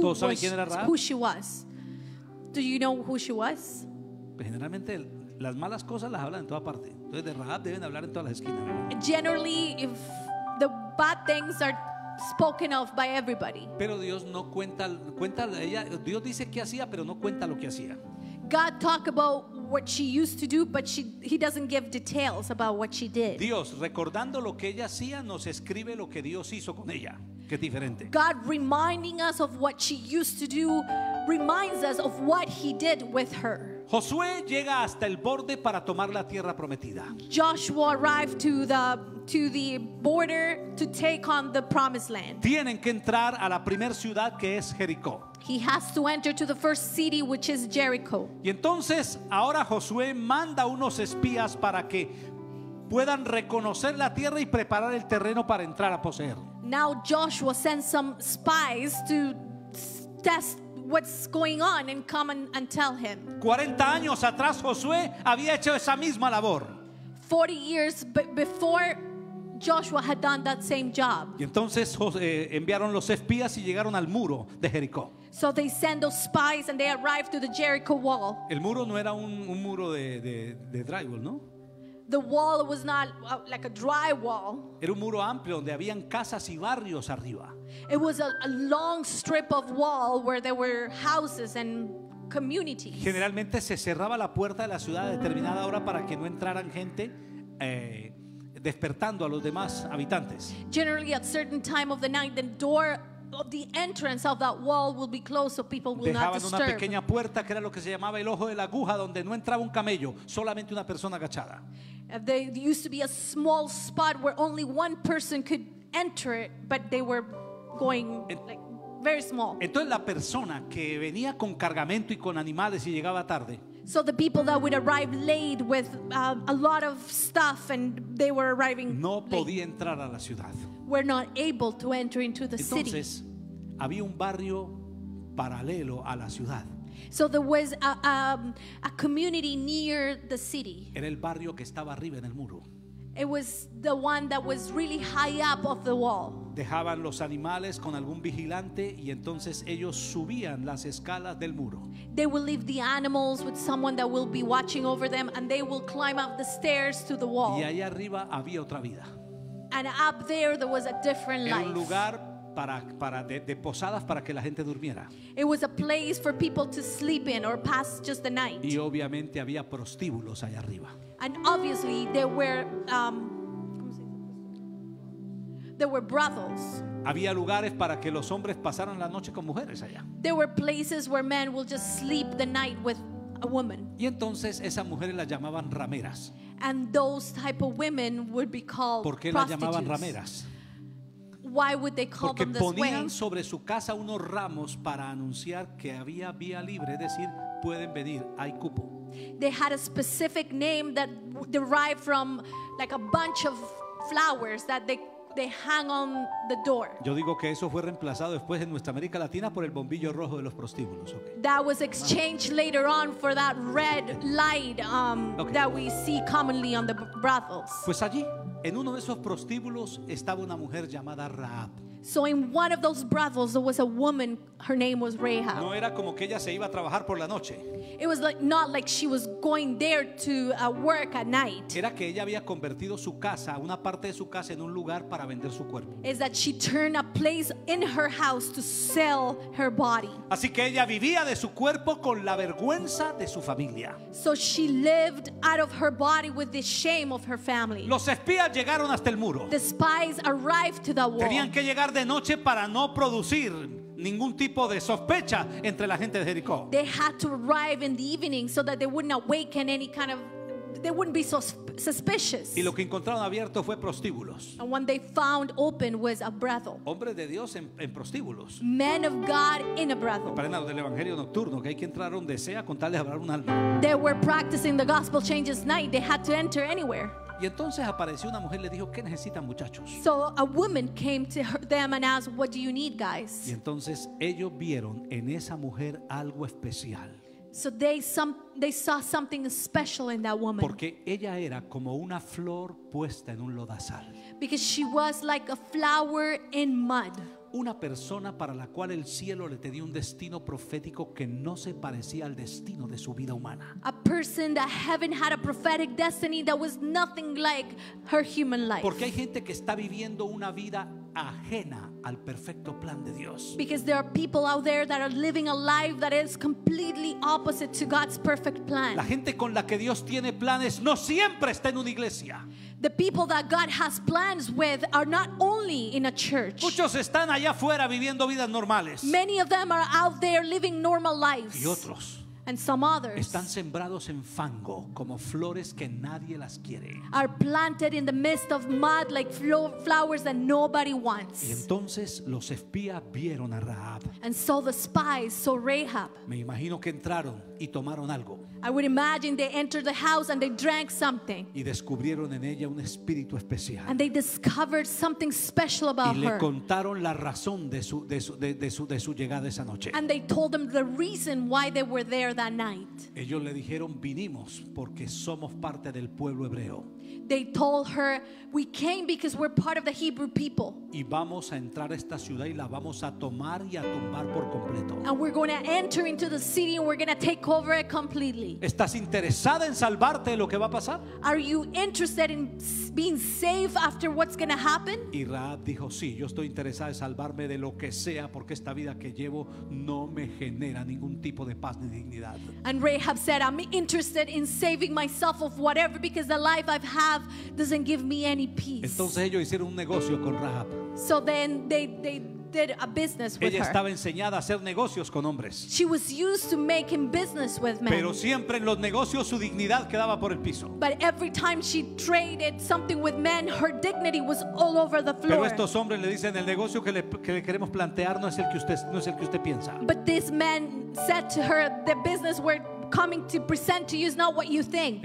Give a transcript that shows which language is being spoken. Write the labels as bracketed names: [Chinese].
[Spanish] ¿Todos saben quién era Rahab? [English] Who she was. Do you know who she was? [Spanish] Generalmente las malas cosas las hablan en toda parte. Entonces de Rahab deben hablar en todas las esquinas. [English] Generally, if the bad things are spoken of by everybody. [Spanish] Pero Dios no cuenta ella, Dios dice qué hacía, pero no cuenta lo que hacía. [English] God talk about what she used to do, but he doesn't give details about what she did. [Spanish] Dios, recordando lo que ella hacía, nos escribe lo que Dios hizo con ella. Qué diferente. [English] God reminding us of what she used to do reminds us of what he did with her. [Spanish] Josué llega hasta el borde para tomar la tierra prometida. [English] Joshua arrived to the border to take on the promised land. [Spanish] Tienen que entrar a la primer ciudad que es Jericó. [English] He has to enter to the first city which is Jericho. [Spanish] Y entonces ahora Josué manda unos espías para que puedan reconocer la tierra y preparar el terreno para entrar a poseerlo. [English] Now Joshua sends some spies to test what's going on and come and tell him. [Spanish] 40 años atrás Josué había hecho esa misma labor. [English] 40 years before Joshua had done that same job. [Spanish] Y entonces enviaron los espías y llegaron al muro de Jericó. [English] So they send those spies and they arrive to the Jericho wall. [Spanish] El muro no era un muro de drywall, ¿no? [English] The wall was not like a dry wall. [Spanish] Era un muro amplio donde habían casas y barrios arriba. [English] It was a long strip of wall where there were houses and communities. [Spanish] Generalmente se cerraba la puerta de la ciudad a determinada hora para que no entraran gente despertando a los demás habitantes. [English] Generally at certain time of the night the door of the entrance of that wall will be closed so people will [Spanish] Dejaban [English] not disturb. [Spanish] Dejaban una pequeña puerta que era lo que se llamaba el ojo de la aguja donde no entraba un camello, solamente una persona agachada. [English] There used to be a small spot where only one person could enter it, but they were going like very small. [Spanish] Entonces la persona que venía con cargamento y con animales y llegaba tarde. [English] So the people that would arrive late with a lot of stuff and they were arriving [Spanish] No podía [English] late, [Spanish] entrar a la ciudad. [English] were not able to enter into the [Spanish] Entonces, [English] city. [Spanish] Había un barrio paralelo a la ciudad. [English] So there was a community near the city. [Spanish] Era el barrio que estaba arriba en el muro. [English] It was the one that was really high up off the wall. [Spanish] Dejaban los animales con algún vigilante y entonces ellos subían las escalas del muro. [English] They will leave the animals with someone that will be watching over them, and they will climb up the stairs to the wall. [Spanish] Y ahí arriba había otra vida. [English] And up there there was a different life. [Spanish] Era un lugar para posadas para que la gente durmiera. [English] It was a place for people to sleep in or pass just the night. [Spanish] Y obviamente había prostíbulos allá arriba. [English] And obviously there were brothels. [Spanish] Había lugares para que los hombres pasaran la noche con mujeres allá. [English] There were places where men will just sleep the night with a woman. [Spanish] Y entonces esas mujeres las llamaban rameras. [English] And those type of women would be called [Spanish] ¿Por qué [English] prostitutes? [Spanish] Las llamaban rameras? [English] Why would they call [Spanish] Porque [English] them this way? [Spanish] Ponían sobre su casa unos ramos para anunciar que había vía libre, es decir, pueden venir, hay cupo. [English] They had a specific name that derived from like a bunch of flowers that they hang on the door. [Spanish] Yo digo que eso fue reemplazado después en nuestra América Latina por el bombillo rojo de los prostíbulos. [English] Okay. That was exchanged later on for that red light okay. that we see commonly on the brothels. [Spanish] Pues allí, en uno de esos prostíbulos estaba una mujer llamada Rahab. [English] So in one of those brothels there was a woman, her name was Rahab. [Spanish] No era como que ella se iba a trabajar por la noche. [English] It was like, not like she was going there to work at night. [Spanish] Era que ella había convertido su casa, una parte de su casa, en un lugar para vender su cuerpo. [English] Is that she turned a place in her house to sell her body. [Spanish] Así que ella vivía de su cuerpo con la vergüenza de su familia. [English] So she lived out of her body with the shame of her family. [Spanish] Los espías llegaron hasta el muro. [English] The spies arrived to the wall. [Spanish] Tenían que llegar de noche para no producir ningún tipo de sospecha entre la gente de Jericó. [English] They had to arrive in the evening so that they wouldn't awaken any kind of they wouldn't be so suspicious. [Spanish] Y lo que encontraron abierto fue prostíbulos. [English] And what they found open was a brothel. [Spanish] Hombres de Dios en prostíbulos. [English] Men of God in a brothel. [Spanish] Para nada del evangelio nocturno que hay que entrar donde sea con tal de hablar un alma. [English] They were practicing the gospel changes night. They had to enter anywhere. [Spanish] Y entonces apareció una mujer y le dijo, ¿qué necesitan, muchachos? [English] So a woman came to them and asked, what do you need, guys? [Spanish] Y entonces ellos vieron en esa mujer algo especial. [English] So they saw something special in that woman. [Spanish] Porque ella era como una flor puesta en un lodazal. [English] Because she was like a flower in mud. [Spanish] Una persona para la cual el cielo le tenía un destino profético que no se parecía al destino de su vida humana. [English] A person that heaven had a prophetic destiny that was nothing like her human life. [Spanish] Porque hay gente que está viviendo una vida ajena al perfecto plan de Dios. [English] Because there are people out there that are living a life that is completely opposite to God's perfect plan. [Spanish] La gente con la que Dios tiene planes no siempre está en una iglesia. [English] The people that God has plans with are not only in a church. [Spanish] Muchos están allá afuera viviendo vidas normales. [English] Many of them are out there living normal lives. [Spanish] Y otros. [English] And some others. [Spanish] Están sembrados en fango como flores que nadie las quiere. [English] Are planted in the midst of mud like flowers that nobody wants. [Spanish] Y entonces los espías vieron a Rahab. [English] And so the spies saw Rahab. [Spanish] Me imagino que entraron y tomaron algo. [English] I would imagine they entered the house and they drank something. [Spanish] Y descubrieron en ella un espíritu especial. [English] And they discovered something special about her. [Spanish] Y le contaron la razón de su llegada esa noche. [English] And they told them the reason why they were there that night. [Spanish] Ellos le dijeron, vinimos porque somos parte del pueblo hebreo. [English] They told her, we came because we're part of the Hebrew people. [Spanish] Y vamos a entrar a esta ciudad y la vamos a tomar y a tumbar por completo. [English] And we're going to enter into the city and we're going to take over it completely. [Spanish] ¿Estás interesada en salvarte de lo que va a pasar? [English] Are you interested in being safe after what's going to happen? [Spanish] Y Rahab dijo, sí, yo estoy interesada en salvarme de lo que sea porque esta vida que llevo no me genera ningún tipo de paz ni dignidad. [English] And Rahab said, I'm interested in saving myself of whatever because the life I've have doesn't give me any peace. [Spanish] Entonces ellos hicieron un negocio con Rahab. [English] So then they did a business with [Spanish] ella [English] her. [Spanish] Estaba enseñada a hacer negocios con hombres. [English] She was used to making business with men. [Spanish] Pero siempre en los negocios su dignidad quedaba por el piso. [English] But every time she traded something with men, her dignity was all over the floor. [Spanish] Pero estos hombres le dicen el negocio que le queremos plantear no es el que usted piensa. [English] But this man said to her, the business we're coming to present to you is not what you think.